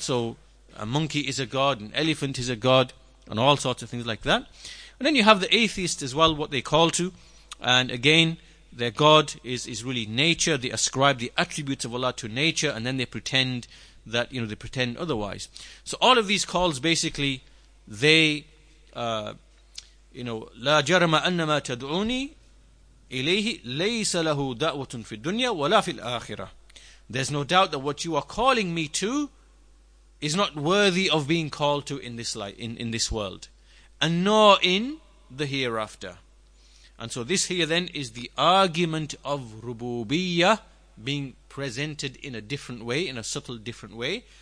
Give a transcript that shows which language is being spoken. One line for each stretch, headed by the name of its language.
English: So a monkey is a god, an elephant is a god, and all sorts of things like that. And then you have the atheist as well, what they call to, and again, their god is really nature. They ascribe the attributes of Allah to nature, and then they pretend that, you know, they pretend otherwise. So all of these calls, basically, they,
Arabic: لا جرم أنما تدعوني إليه ليس له دعوة في الدنيا ولا في الآخرة.
English: There's no doubt that what you are calling me to is not worthy of being called to in this life, in this world, and nor in the hereafter. And so this here then is the argument of rububiyyah being presented in a different way, in a subtle different way.